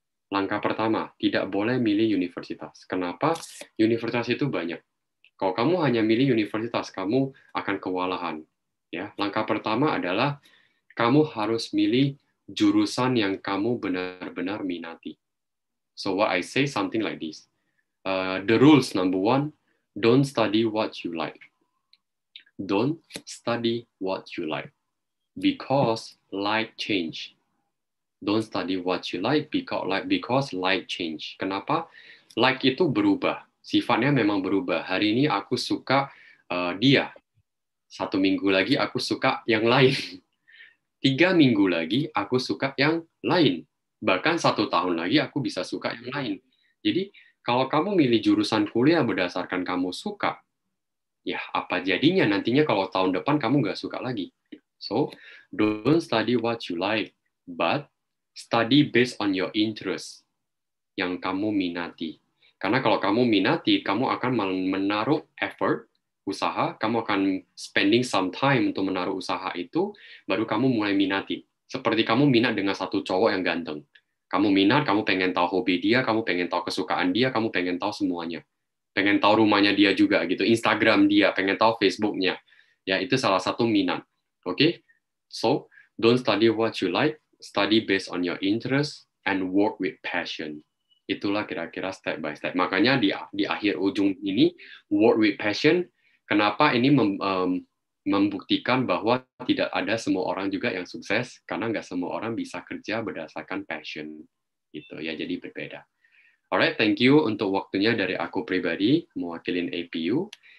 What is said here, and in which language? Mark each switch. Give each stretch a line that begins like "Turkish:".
Indonesian: Langkah pertama, tidak boleh milih universitas. Kenapa? Universitas itu banyak. Kalau kamu hanya milih universitas, kamu akan kewalahan. Ya, langkah pertama adalah kamu harus milih jurusan yang kamu benar-benar minati.
English: So what I say something like this. The rules number one, don't study what you like. Don't study what you like because like change. Don't study what you like because like change.
Indonesian: Kenapa? Like itu berubah. Sifatnya memang berubah. Hari ini aku suka dia. Satu minggu lagi aku suka yang lain. Tiga minggu lagi aku suka yang lain. Bahkan satu tahun lagi aku bisa suka yang lain. Jadi kalau kamu milih jurusan kuliah berdasarkan kamu suka, ya, apa jadinya nantinya kalau tahun depan kamu nggak suka lagi?
English: So, don't study what you like, but study based on your interest,
Indonesian: yang kamu minati. Karena kalau kamu minati, kamu akan menaruh effort, usaha, kamu akan
English: spending some time
Indonesian: untuk menaruh usaha itu, baru kamu mulai minati. Seperti kamu minat dengan satu cowok yang ganteng. Kamu minat, kamu pengen tahu hobi dia, kamu pengen tahu kesukaan dia, kamu pengen tahu semuanya. Pengen tahu rumahnya dia juga, gitu. Instagram dia, pengen tahu Facebooknya. Ya, itu salah satu minat. Okay?
English: So, don't study what you like, study based on your interest, and work with passion.
Indonesian: Itulah kira-kira step by step. Makanya di akhir ujung ini,
English: work with passion,
Indonesian: kenapa ini membuktikan bahwa tidak ada semua orang juga yang sukses, karena nggak semua orang bisa kerja berdasarkan passion. Gitu ya, jadi berbeda.
English: Alright, thank you
Indonesian: untuk waktunya dari aku pribadi, mewakilin APU.